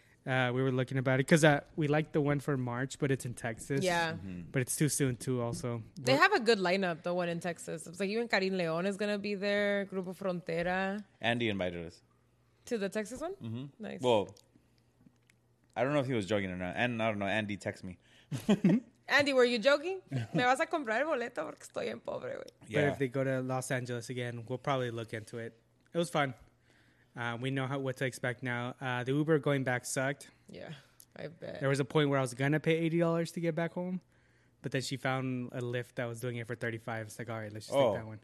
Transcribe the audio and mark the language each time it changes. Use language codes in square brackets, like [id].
[en] We were looking about it because we liked the one for March, but it's in Texas. Yeah. Mm-hmm. But it's too soon, too, also. They have a good lineup, the one in Texas. It's like even Karin León is going to be there, Grupo Frontera. Andy invited us. To the Texas one? Mm-hmm. Nice. Well, I don't know if he was joking or not. And I don't know. Andy text me. Andy, were you joking? [es] Me vas a comprar el boleto porque estoy en pobre, güey. [en] But if they go to Los Angeles again, we'll probably look into it. It was fun. We know what to expect now. The Uber going back sucked. Yeah, I bet. There was a point where I was going to pay $80 to get back home, but then she found a Lyft that was doing it for $35. It's like, all right, let's just take that one.